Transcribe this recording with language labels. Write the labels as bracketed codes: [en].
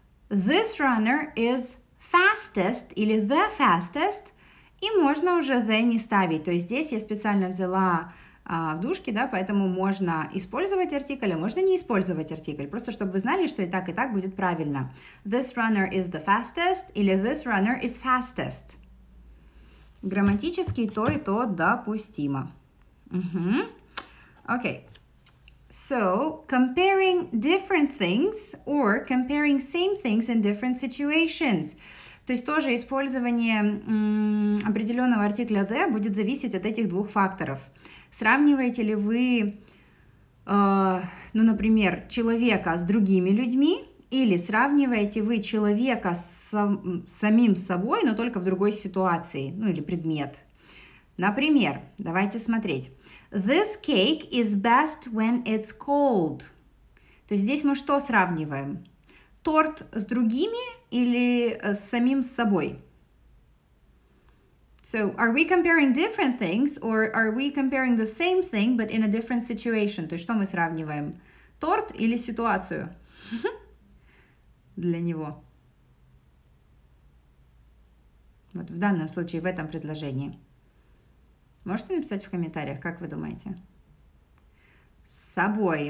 [en] This runner is fastest или the fastest, [ru] и можно уже the не ставить. То есть здесь я специально взяла в душке, да, поэтому можно использовать артикль, а можно не использовать артикль, просто чтобы вы знали, что и так будет правильно. [en] This runner is the fastest или this runner is fastest. [ru] Грамматически то и то допустимо. Угу. Okay. [en] So, comparing different things or comparing same things in different situations. [ru] То есть тоже использование определенного артикля the будет зависеть от этих двух факторов. Сравниваете ли вы, ну, например, человека с другими людьми, или сравниваете вы человека с самим собой, но только в другой ситуации, ну, или предмет. Например, давайте смотреть. [en] This cake is best when it's cold. [ru] То есть здесь мы что сравниваем? Торт с другими или с самим собой? [en] So, are we comparing different things or are we comparing the same thing but in a different situation? [ru] То есть что мы сравниваем? Торт или ситуацию? Для него. Вот в данном случае, в этом предложении. Можете написать в комментариях, как вы думаете? С собой.